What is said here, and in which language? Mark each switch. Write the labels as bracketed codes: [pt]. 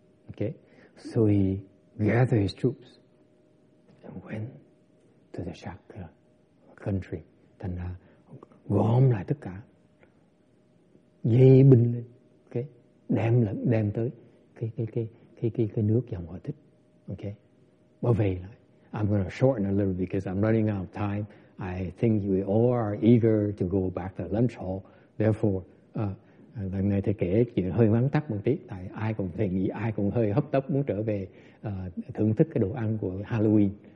[en] Okay, so he gathered his troops and went to the Shakya country. [vi] Thành ra gom lại tất cả, dây binh lên, okay, đem tới cái nước dòng họ thích, okay, bảo vệ lại. [en] I'm going to shorten a little because I'm running out of time. I think we all are eager to go back to lunch hall. Therefore, [vi] lần này thầy kể chuyện hơi ngắn tắt một tí, tại ai cũng thầy nghĩ ai cũng hơi hấp tấp muốn trở về thưởng thức cái đồ ăn của Halloween.